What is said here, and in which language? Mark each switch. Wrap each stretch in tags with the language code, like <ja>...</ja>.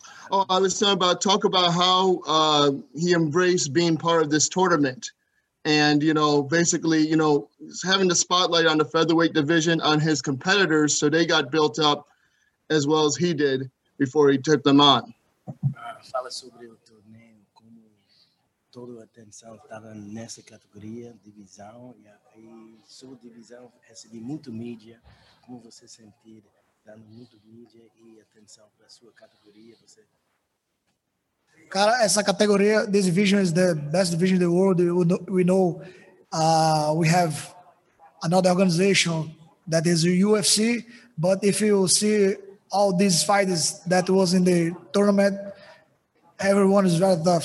<en>Oh, I was talking about how he embraced being part of this tournament. And, you know, basically, you know, having the spotlight on the featherweight division on his competitors, so they got built up as well as he did before he took them on.</en> <pt>Fala sobre o torneio, como toda a atenção estava nessa categoria, divisão, e aí, sobre divisão, recebi muito mídia, como você sentir, dando muito mídia e atenção para a sua categoria, você... Cara, essa categoria,</pt> <en>this division is the best division in the world. We know we have another organization that is UFC. But if you see all these fighters that was in the tournament, everyone is very tough.</en>